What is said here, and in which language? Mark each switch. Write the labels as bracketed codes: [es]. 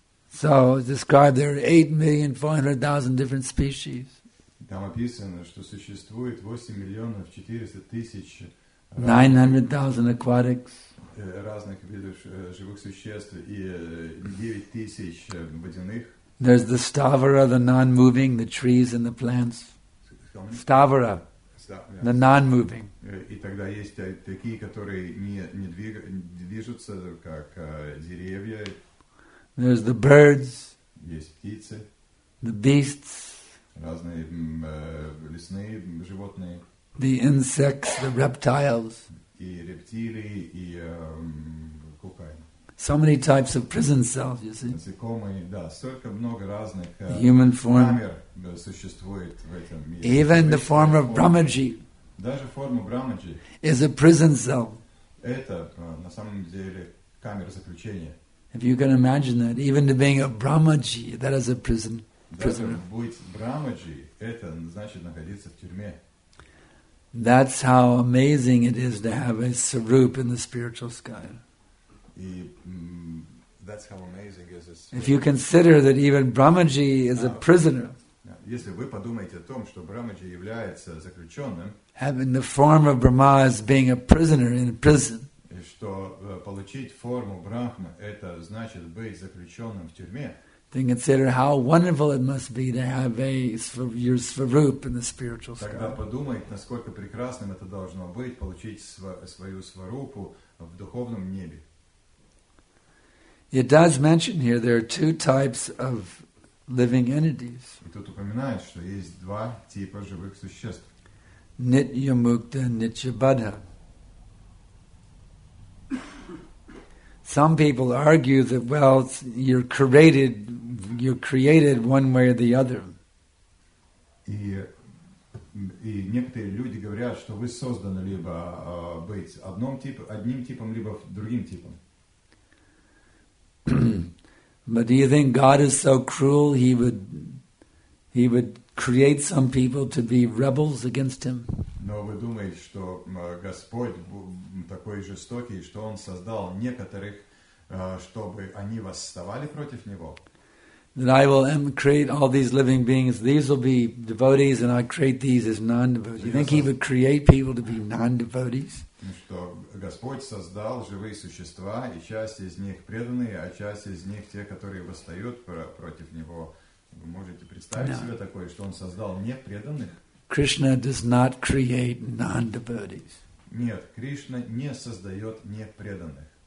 [en] So it's described there are 8,400,000 different species. [ru] Там описано, что существует 8,400,000 [en] 900,000 aquatics. [ru] Разных видов живых существ и 9,000 водяных. [en] There's the stavara, the non-moving, the trees and the plants. Stavara, the non-moving. [ru] И тогда есть такие, которые не движутся, как деревья. [en] There's the birds. [ru] Есть птицы. [en] The beasts. [ru] Разные лесные животные. [en] The insects, the reptiles. [ru] И рептилии, и кукай. [en] So many types of prison cells, you see. [ru] Насекомые, да, столько много разных [en] human form. [ru] Камер существует в этом мире. [en] Even the form of Brahmaji. [ru] Даже форма Брамаджи. [en] Is a prison cell. [ru] Это на самом деле камера заключения. [en] If you can imagine that, even to being a Brahmaji, that is a prison. [ru] Быть Брамаджи, это значит находиться в тюрьме. [en] That's how amazing it is to have a sarup in the spiritual sky. И, that's how amazing is this. If you consider that even Brahmaji is a prisoner, [ru] если вы подумаете о том, что Брамаджи является заключенным, [en] having the form of Brahma is being a prisoner in a prison. [ru] И что получить форму Брахмы это значит быть заключенным в тюрьме. [en] Then consider how wonderful it must be to have your svarup in the spiritual sky. [ru] Тогда подумайте, насколько прекрасным это должно быть получить свою сварупу в духовном небе. [en] It does mention here there are two types of living entities. [ru] И тут упоминает, что есть два типа живых существ. [sa] Nitya mukta and nitya badha. [en] Some people argue that, well, you're created one way or the other. [ru] И некоторые люди говорят, что вы созданы либо быть одним типом, либо другим типом. [en] But do you think God is so cruel he would create some people to be rebels against him? [ru] Но вы думаете, что Господь такой жестокий, что Он создал некоторых, чтобы они восставали против Него? [en] That I will create all these living beings, these will be devotees, and I create these as non-devotees. You think He would create people to be non-devotees? [ru] Что Господь создал живые существа, и часть из них преданные, а часть из них те, которые восстают против Него. Вы можете представить себе такое, что Он создал непреданных? [en] Krishna does not create non-devotees. [ru] Нет, Кришна не создает непреданных.